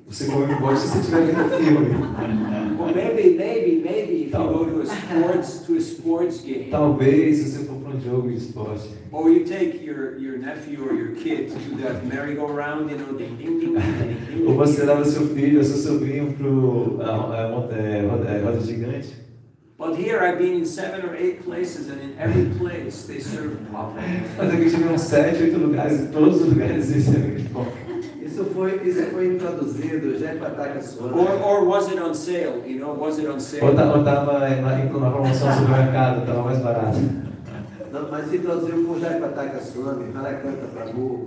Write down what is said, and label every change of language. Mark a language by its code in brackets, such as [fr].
[pt] Você come popcorn se você estiver vendo um filme. [en] Well, maybe if you go to a sports game. [pt] Talvez se você for para jogo de esporte. [en] Or you take your nephew or your kid to that merry-go-round, you know, the ding-ding-ding. [pt] Ou você leva seu filho ou seu sobrinho pro roda gigante. [en] But here I've been in 7 or 8 places, and in every place they serve popcorn. [pt] Mas aqui tive 7, 8 lugares, e todos os lugares existem popcorn. Isso foi introduzido já em Pataca Suana. [en] Or was it on sale? You know, was it on sale? [pt] Ou estava em uma promoção no supermercado, estava mais barato. Não, mas introduziu com já em Pataca Suana, em Maracanã, Prabu.